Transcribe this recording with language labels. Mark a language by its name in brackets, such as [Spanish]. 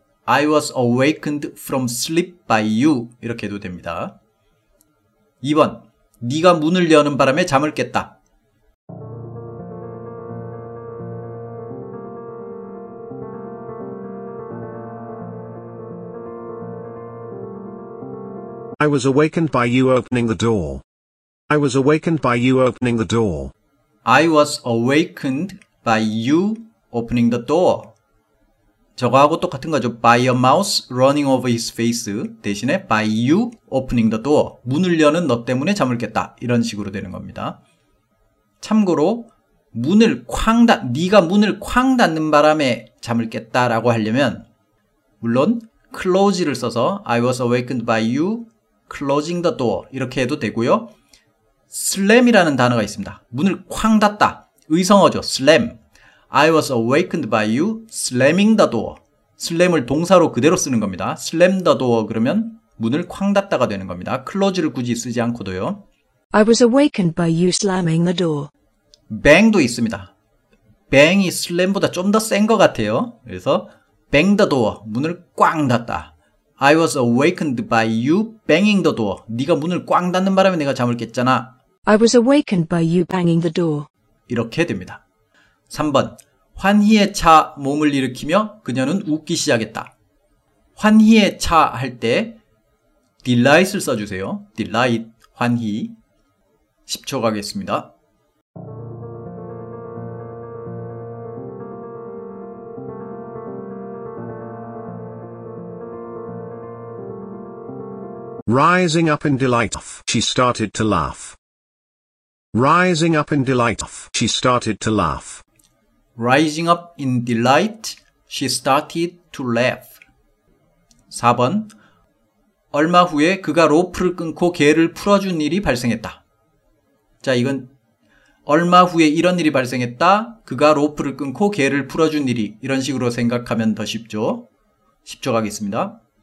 [English] I was awakened from sleep by you. [Korean] 이렇게 해도 됩니다. 2번. 네가 문을 여는 바람에 잠을 깼다. [English] I was awakened by you opening the door. I was awakened by you opening the door. I was awakened by you opening the door. [Korean] 저거하고 똑같은 거죠. [English] By a mouse running over his face 대신에 by you opening the door. [Korean] 문을 여는 너 때문에 잠을 깼다. 이런 식으로 되는 겁니다. 참고로 문을 쾅 닫, 네가 문을 쾅 닫는 바람에 잠을 깼다 라고 하려면 물론 close를 써서 I was awakened by you closing the door 이렇게 해도 되고요. slam이라는 단어가 있습니다. 문을 쾅 닫다. 의성어죠. slam. [English] I was awakened by you slamming the door. [Korean] slam을 동사로 그대로 쓰는 겁니다. slam the door 그러면 문을 쾅 닫다가 되는 겁니다. close를 굳이 쓰지 않고도요. [English] I was awakened by you slamming the door. [Korean] bang도 있습니다. bang이 slam보다 좀 더 센 것 같아요. [English] 그래서 bang the door. [Korean] 문을 꽝 닫다. [English] I was awakened by you banging the door. [Korean] 네가 문을 꽝 닫는 바람에 내가 잠을 깼잖아. [English] I was awakened by you banging the door. [Korean] 이렇게 됩니다. 3번. 환희에 차 몸을 일으키며 그녀는 웃기 시작했다. 환희에 차 할 때 delight을 써주세요. delight, 환희. 10초 가겠습니다. [English] Rising up in delight, she started to laugh. Rising up in delight, she started to laugh. Rising up in delight, she started to laugh. [Korean] 4번. 얼마 후에 그가 로프를 끊고 개를 풀어준 일이 발생했다. 자, 이건 얼마 후에 이런 일이 발생했다. 그가 로프를 끊고 개를 풀어준 일이. 이런 식으로 생각하면 더 쉽죠. 10초 가겠습니다.